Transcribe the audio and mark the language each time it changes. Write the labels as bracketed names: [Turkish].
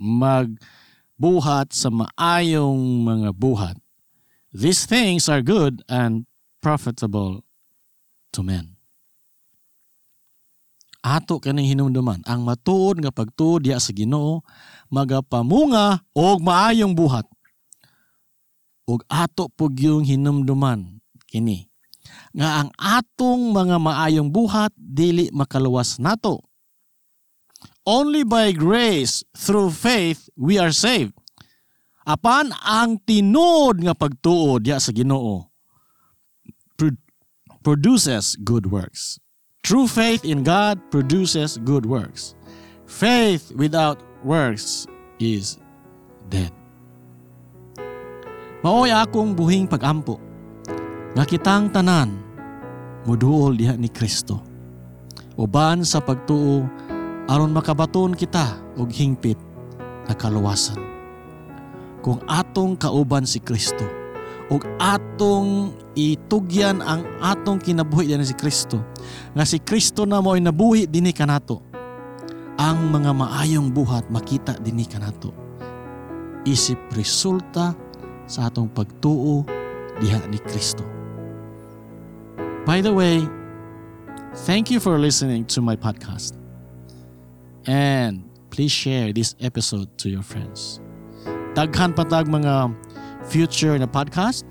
[Cebuano] Magbuhat sa maayong mga buhat. [English] These things are good and profitable to men. [Cebuano] Ato kaning hinumduman, ang matuod nga pagtuo diha sa Ginoo, magapamunga og maayong buhat. Og ato pug yung hinumduman kini nga ang atong mga maayong buhat dili makaluwas nato. [English] Only by grace through faith we are saved. [Cebuano] Apan ang tinuod nga pagtuo diha sa Ginoo [English] produces good works. True faith in God produces good works. Faith without works is dead. [Cebuano] Maoy akong buhing pag-ampo nga kitang tanan muduol diha ni Kristo. Uban sa pagtuo aron makabaton kita og hingpit na kaluwasan. Kung atong kauban si Kristo, ug atong itugyan ang atong kinabuhi dinhi si Kristo. Nga si Kristo na mo'y nabuhi dinhi kanato. Ang mga maayong buhat makita dinhi kanato. Isip resulta sa atong pagtuo diha ni Kristo. [English] By the way, thank you for listening to my podcast. And please share this episode to your friends. [Cebuano] Daghan patag mga future na podcast.